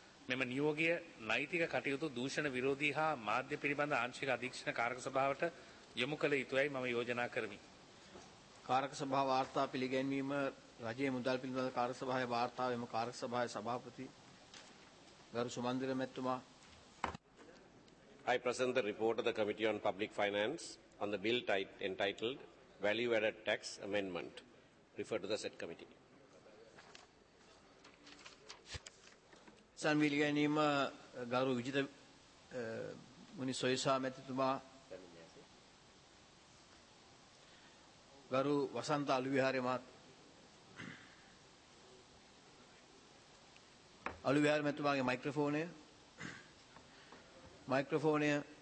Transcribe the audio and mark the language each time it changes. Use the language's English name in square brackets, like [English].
[Sinhala] මෙම නියෝගය නෛතික කටයුතු දූෂණ විරෝධී හා මාධ්‍ය පිළිබඳ ආංශික අධීක්ෂණ කාරක සභාවට යොමු කළ යුතුයි මම යෝජනා කරමි. කාරක සභාව වාර්තා පිළිගැන්වීම රජයේ මුදල් පිළිබඳ කාරක සභාවේ වාර්තාවේම කාරක සභාවේ සභාපති ගරු සුමන්දිර මැතිතුමා [English] I present the report of the Committee on Public Finance on the bill entitled Value Added Tax Amendment referred to the said committee. [Sinhala] සම්විල් ගැනීම ගරු විජිත මුනි සොයිසා මැතිතුමා ගරු වසන්ත අලු විහාරේ මහත් අලු විහාර මැතිතුමාගේ මයික්‍රෝෆෝනය